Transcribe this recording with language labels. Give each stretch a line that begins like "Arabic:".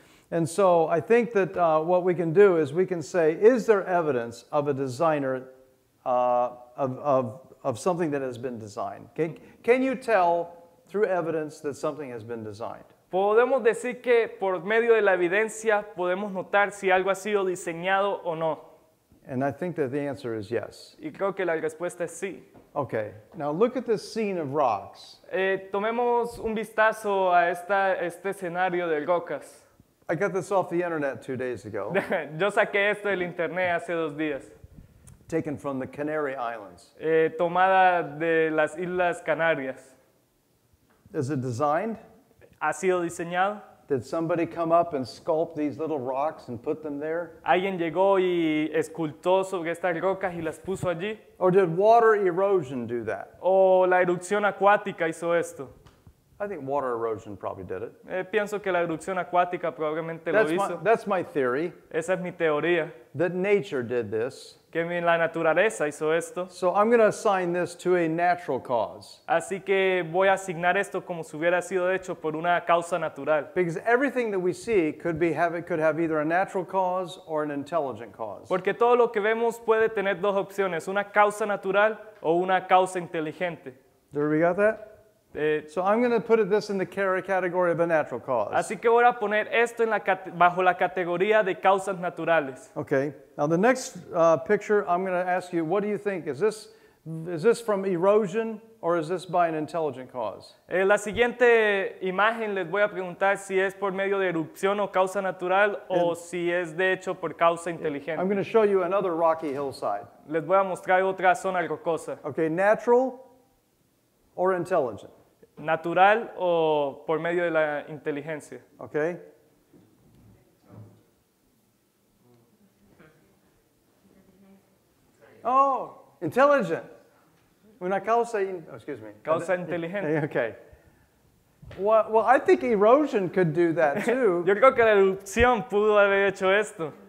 English: And so I think that what we can do is we can say, is there evidence of a designer of something that has been designed? Can you tell through evidence that something has been designed?
Spanish: Podemos decir que por medio de la evidencia podemos notar si algo ha sido diseñado o no.
English: And I think that the answer is yes.
Spanish: Y creo que la respuesta es sí.
English: Okay. Now look at this scene of rocks.
Spanish: Tomemos un vistazo a este escenario de rocas.
English: I got this off the internet 2 days ago.
Spanish: Yo saqué esto del internet hace 2 días.
English: Taken from the Canary Islands.
Spanish: Tomada de las Islas Canarias.
English: Is it designed?
Spanish: ¿Ha sido diseñado?
English: Did somebody come up and sculpt these little rocks and put them there?
Spanish: ¿Alguien llegó y escultó sobre estas rocas y las puso allí?
English: Or did water erosion do that?
Spanish: ¿O la erupción acuática hizo esto?
English: I think water erosion probably did it.
Spanish: Pienso que la erupción acuática probablemente lo hizo.
English: That's my theory.
Spanish: Esa es mi teoría.
English: That nature did this.
Spanish: Que la naturaleza hizo esto.
English: So I'm going to assign this to a natural cause.
Spanish: Así que voy a asignar esto como si hubiera sido hecho por una causa natural.
English: Because everything that we see could have either a natural cause or an intelligent cause.
Spanish: Porque todo lo que vemos puede tener dos opciones, una causa natural o una causa inteligente.
English: Do we got that? So I'm going to put this in the category of a natural cause.
Spanish: Así que voy a poner esto bajo la categoría de causas naturales.
English: Okay. Now the next picture, I'm going to ask you, what do you think? Is this from erosion or is this by an intelligent cause?
Spanish: La siguiente imagen les voy a preguntar si es por medio de erupción o causa natural o si es de hecho por causa inteligente.
English: I'm going to show you another rocky hillside.
Spanish: Les voy a mostrar otra zona rocosa.
English: Okay, natural. Or intelligent.
Spanish: Natural o por medio de la inteligencia.
English: Okay. Oh, intelligent.
Spanish: Una causa,
English: excuse me.
Spanish: Causa inteligente.
English: Okay. Well, I think erosion could do that too.
Spanish: Yo creo que la erupción pudo haber hecho esto.